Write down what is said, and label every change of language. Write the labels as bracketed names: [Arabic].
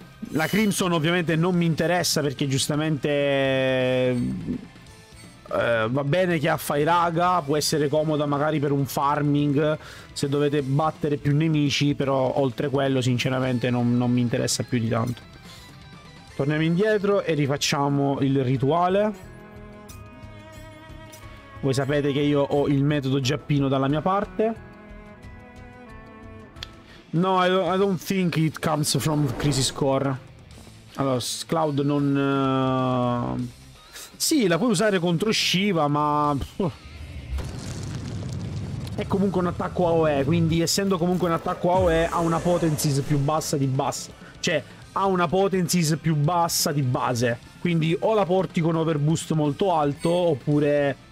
[Italian] La Crimson ovviamente non mi interessa, perché giustamente va bene che ha Fairaga, può essere comoda magari per un farming se dovete battere più nemici, però oltre quello sinceramente non mi interessa più di tanto. Torniamo indietro e rifacciamo il rituale. Voi sapete che io ho il metodo giappino dalla mia parte. [English] No, I don't think it comes from Crisis Core. [Italian] Allora, Cloud non... sì, la puoi usare contro Shiva, ma... è comunque un attacco AOE, quindi essendo comunque un attacco AOE ha una potency più bassa di base. Cioè, ha una potency più bassa di base. Quindi o la porti con overboost molto alto, oppure...